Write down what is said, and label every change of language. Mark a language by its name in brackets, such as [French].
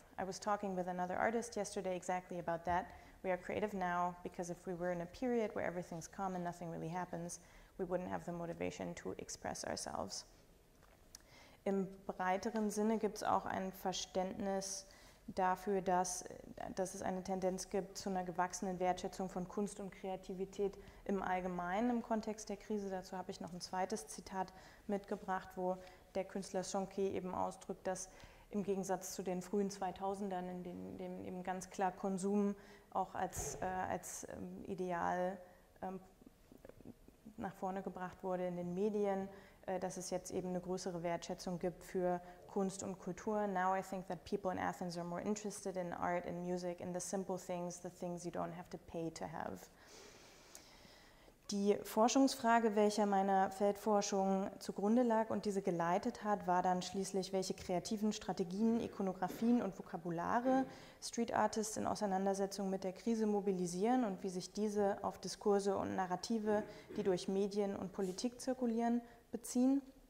[English] I was talking with another artist yesterday exactly about that. We are creative now, because if we were in a period where everything's calm and nothing really happens, we wouldn't have the motivation to express ourselves." [German] Im breiteren Sinne gibt es auch ein Verständnis dafür, dass es eine Tendenz gibt zu einer gewachsenen Wertschätzung von Kunst und Kreativität im Allgemeinen im Kontext der Krise. Dazu habe ich noch ein zweites Zitat mitgebracht, wo der Künstler Sonke eben ausdrückt, dass im Gegensatz zu den frühen 2000ern, in denen eben ganz klar Konsum auch als Ideal nach vorne gebracht wurde in den Medien, dass es jetzt eben eine größere Wertschätzung gibt für Kunst und Kultur. [English] "Now I think that people in Athens are more interested in art and music, in the simple things, the things you don't have to pay to have." [German] Die Forschungsfrage, welcher meiner Feldforschung zugrunde lag und diese geleitet hat, war dann schließlich, welche kreativen Strategien, Ikonografien und Vokabulare Street Artists in Auseinandersetzung mit der Krise mobilisieren und wie sich diese auf Diskurse und Narrative, die durch Medien und Politik zirkulieren, beziehen.